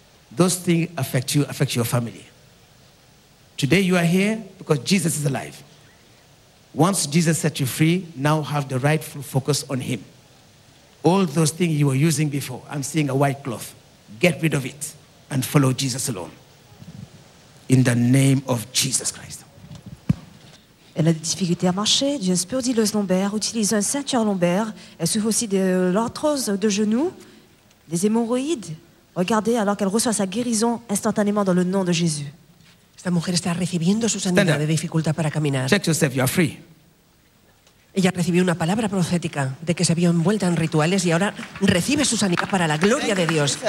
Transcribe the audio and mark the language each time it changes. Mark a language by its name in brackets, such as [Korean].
[English] Those things affect you, affect your family. Today you are here because Jesus is alive. Once Jesus set you free, now have the rightful focus on him. All those things you were using before, I'm seeing a white cloth. Get rid of it and follow Jesus alone. In the name of Jesus Christ. [French] Elle a des difficultés à marcher, d'une spondylose lombaire, utilise un ceinture lombaire. Elle souffre aussi de l'arthrose de genoux, des hémorroïdes. Regardez alors qu'elle reçoit sa guérison instantanément dans le nom de Jésus. [Spanish] Esta mujer está recibiendo su sanidad de dificultad para caminar. [English] Check yourself, you are free. [Spanish] Ella recibió una palabra profética de que se vio envuelta en rituales y ahora recibe su sanidad para la gloria de Dios.